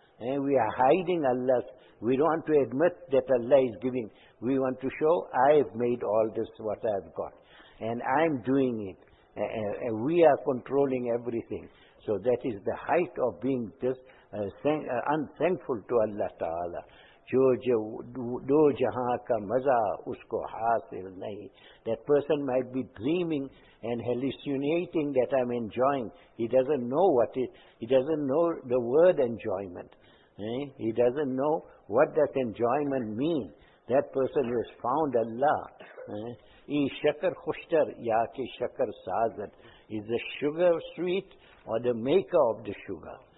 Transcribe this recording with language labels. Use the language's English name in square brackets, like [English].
[English] And we are hiding Allah's. We don't want to admit that Allah is giving. We want to show, I've made all this what I've got. And I'm doing it. And we are controlling everything. So that is the height of being unthankful to Allah Ta'ala. [Urdu] جو جہاں کا مزہ اس کو حاصل نہیں. [English] That person might be dreaming and hallucinating that I'm enjoying. He doesn't know what it, he doesn't know the word enjoyment. He doesn't know what that enjoyment mean. That person who has found Allah. [Persian] E shakar khushtar ya ke shakar sazan. [English] Is the sugar sweet or the maker of the sugar?